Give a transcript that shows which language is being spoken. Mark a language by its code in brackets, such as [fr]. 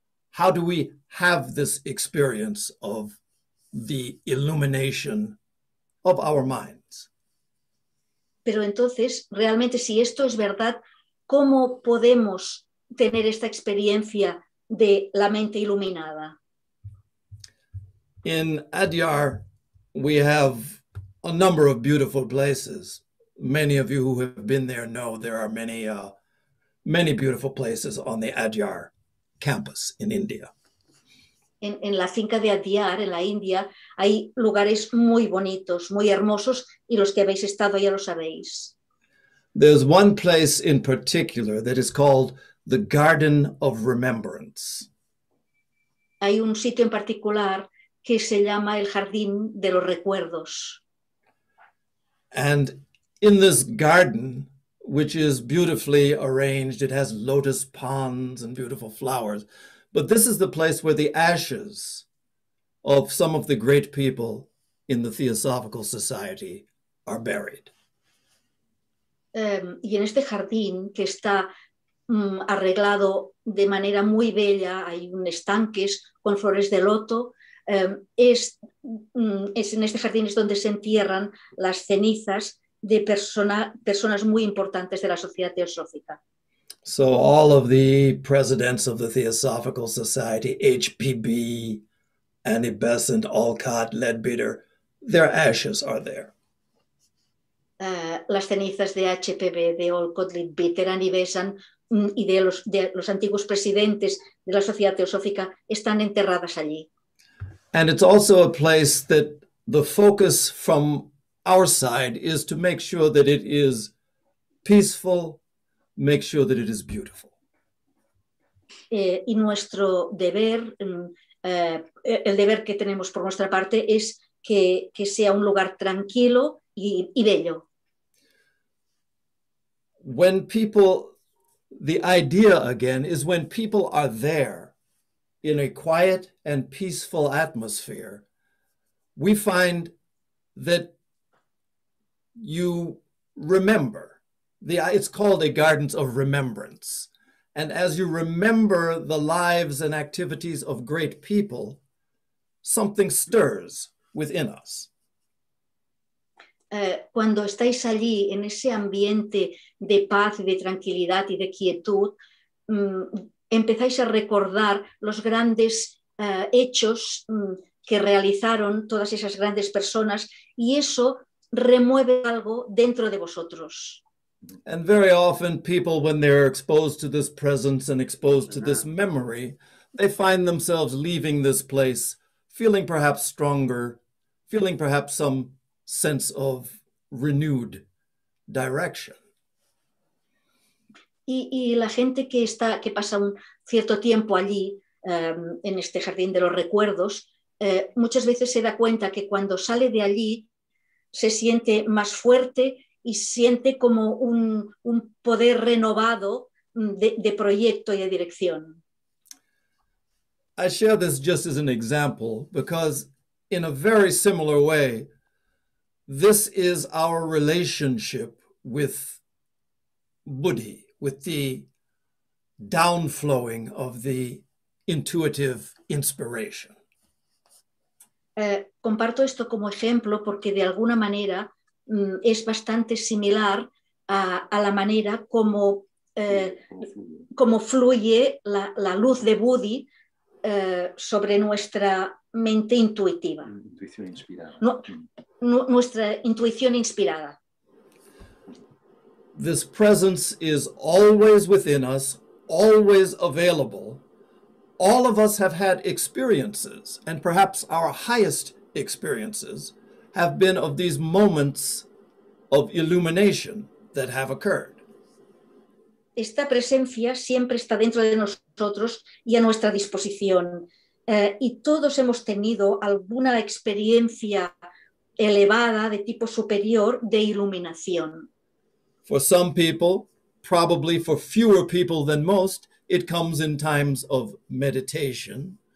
[en] How do we have this experience of the illumination of our mind? [es] Pero entonces, realmente, si esto es verdad, ¿cómo podemos tener esta experiencia de la mente iluminada? [en] In Adyar, we have a number of beautiful places. Many of you who have been there know there are many, many beautiful places on the Adyar campus in India. [es] En la finca de Adyar, en la India, hay lugares muy bonitos, muy hermosos, y los que habéis estado ya lo sabéis. [en] There's one place in particular that is called the Garden of Remembrance. [es] Hay un sitio en particular que se llama el Jardín de los Recuerdos. [en] And in this garden, which is beautifully arranged, it has lotus ponds and beautiful flowers, But this is the place where the ashes of some of the great people in the Theosophical Society are buried. [es] Y en este jardín que está arreglado de manera muy bella, hay un estanque con flores de loto, es en este jardín es donde se entierran las cenizas de personas muy importantes de la sociedad teosófica. [en] So all of the presidents of the Theosophical Society, HPB, Annie Besant, Olcott, Leadbeater, their ashes are there. [es] Las cenizas de HPB, de Olcott, Leadbeater, Annie Besant y de los antiguos presidentes de la sociedad teosófica están enterradas allí. [en] And it's also a place that the focus from our side is to make sure that it is peaceful, make sure that it is beautiful. [es] Y nuestro deber, el deber que tenemos por nuestra parte es que sea un lugar tranquilo y bello. [en] When people, the idea again is when people are there in a quiet and peaceful atmosphere, we find that you remember. It's called a Gardens of Remembrance. And as you remember the lives and activities of great people, something stirs within us. [es] Cuando estáis allí en ese ambiente de paz, de tranquilidad y de quietud, empezáis a recordar los grandes hechos que realizaron todas esas grandes personas y eso remueve algo dentro de vosotros. [en] And very often people, when they're exposed to this presence and exposed to this memory, they find themselves leaving this place feeling perhaps stronger, feeling perhaps some sense of renewed direction. [es] Y la gente que pasa un cierto tiempo allí, en este jardín de los recuerdos, muchas veces se da cuenta que cuando sale de allí se siente más fuerte y siente como un poder renovado de proyecto y de dirección. [en] I share this just as an example because in a very similar way, this is our relationship with Buddhi, with the downflowing of the intuitive inspiration. [es] Comparto esto como ejemplo porque de alguna manera es bastante similar a la manera como fluye la luz de Buddhi sobre nuestra mente intuitiva. Intuición inspirada. Nuestra intuición inspirada. [en] This presence is always within us, always available. All of us have had experiences, and perhaps our highest experiences have been of these moments of illumination that have occurred. [es] Esta presencia siempre está dentro de nosotros y a nuestra disposición. Y todos hemos tenido alguna experiencia elevada de tipo superior de iluminación. [en] For some people, probably for fewer people than most, it comes in times of meditation.